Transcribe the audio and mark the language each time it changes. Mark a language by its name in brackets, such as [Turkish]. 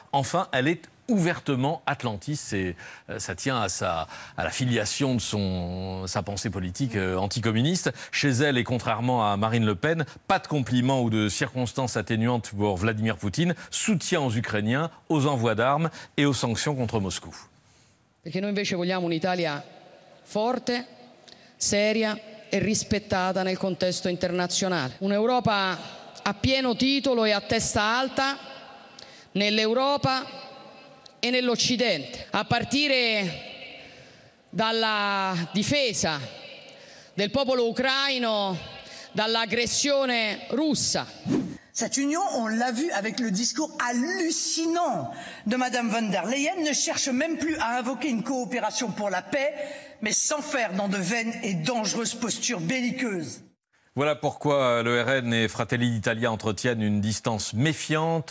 [French] Enfin, elle est ouvertement atlantiste. Et ça tient à la filiation de sa pensée politique anticommuniste. Chez elle, et contrairement à Marine Le Pen, pas de compliments ou de circonstances atténuantes pour Vladimir Poutine. Soutien aux Ukrainiens, aux envois d'armes et aux sanctions contre Moscou. [Italian] Perché noi invece vogliamo un'Italia forte, seria e rispettata nel contesto internazionale. Un'Europa a pieno titolo e a testa alta nell'Europa e nell'Occidente, a partire dalla difesa del popolo ucraino dall'aggressione russa. [French] Cette union, on l'a vu avec le discours hallucinant de Madame von der Leyen, ne cherche même plus à invoquer une coopération pour la paix, mais sans faire dans de vaines et dangereuses postures belliqueuses. Voilà pourquoi le RN et Fratelli d'Italia entretiennent une distance méfiante.